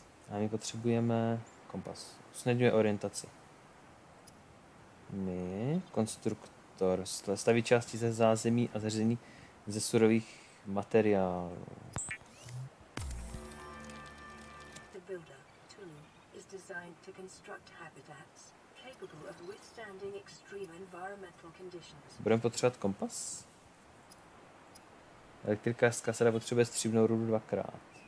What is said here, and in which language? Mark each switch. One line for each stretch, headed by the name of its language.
Czech: A my potřebujeme kompas. Usnadňuje orientaci. My, konstruktor, staví části ze zázemí a zařízení ze surových materiálů.
English: The builder, Tulu, is designed to construct habitats capable of withstanding extreme environmental conditions.
Czech: Budeme potřebovat kompas? Elektrikářská sada potřebuje stříbnou rudu dvakrát.